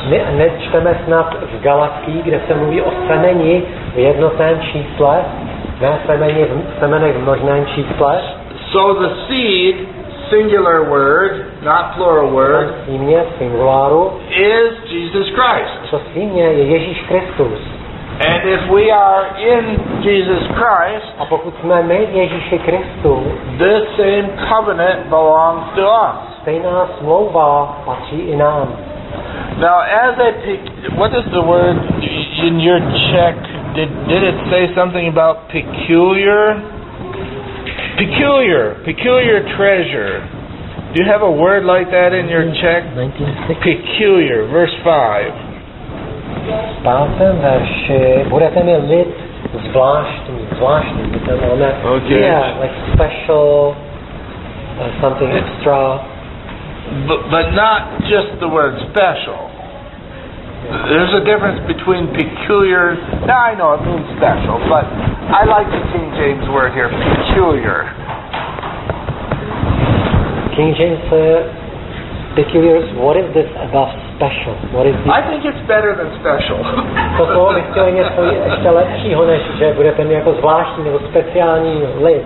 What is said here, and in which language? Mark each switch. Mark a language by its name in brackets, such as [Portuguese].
[Czech] Nečteme snad v Galatských, kde se mluví o semeni v jednotném čísle, ne semeni v semenech v množném čísle? [English] So the seed, singular word, not plural word, [Czech] semeně singularu, [English] is Jesus Christ. [Czech] To semeně je Ježíš Kristus. [English] And if we are in Jesus Christ, [Czech] a pokud jsme my v Ježíši Kristu, [English] this same covenant belongs to us. [Czech] Stejná smlouva patří i nám. [English] Now, what is the word in your check? Did it say something about peculiar? Peculiar treasure. Do you have a word like that in your check? Peculiar, verse 5. [Czech] V pátém verši budete mi lid zvláštní, zvláštní, my to máme, [English] okay. Yeah, like special, something extra. But not just the word special. There's a difference between peculiar. Now I know it means special, but I like the King James word here, peculiar. King James peculiar. What is this about special? What is this? I think it's better than special. [Czech] To slovo by chtělo něco ještě lepšího, než že bude ten jako zvláštní nebo speciální lid.